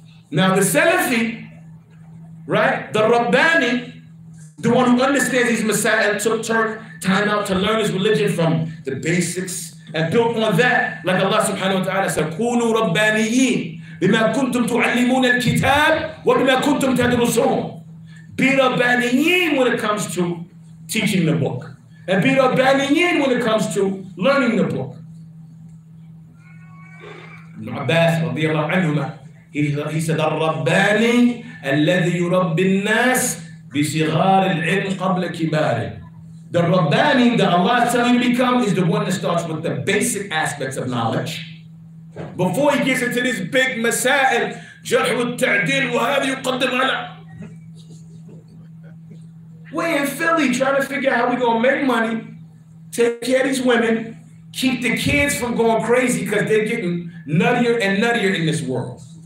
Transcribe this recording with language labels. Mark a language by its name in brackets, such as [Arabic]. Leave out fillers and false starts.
[English] Now, the Salafi, right? The Rabbani, the one who understands these masail, took time out to learn his religion from the basics, and built on that, like Allah subhanahu wa ta'ala said, [Arabic] كُونُوا رَبَّانِيِّينَ بِمَا كُنْتُمْ تُعَلِّمُونَ الْكِتَابِ وَبِمَا كُنْتُمْ تَدْرُسُونَ. [English] Be رَبَّانِيِّينَ when it comes to teaching the book. And be رَبَّانِيِّينَ when it comes to learning the book. [Arabic] Ibn Abbas رضي الله عنهما, [English] he said, [Arabic] الرَّبَّانِي الَّذِي يُرَبِّ النَّاسِ بِصِغَارِ الْعِلْمِ قَبْلَ كِبَارِهِ. [English] The Rabbani that Allah is telling you to become is the one that starts with the basic aspects of knowledge. Before he gets into this big masail, jarh wa ta'dil, whatever you qaddim ala. We in Philly trying to figure out how we're going to make money, take care of these women, keep the kids from going crazy because they're getting nuttier and nuttier in this world.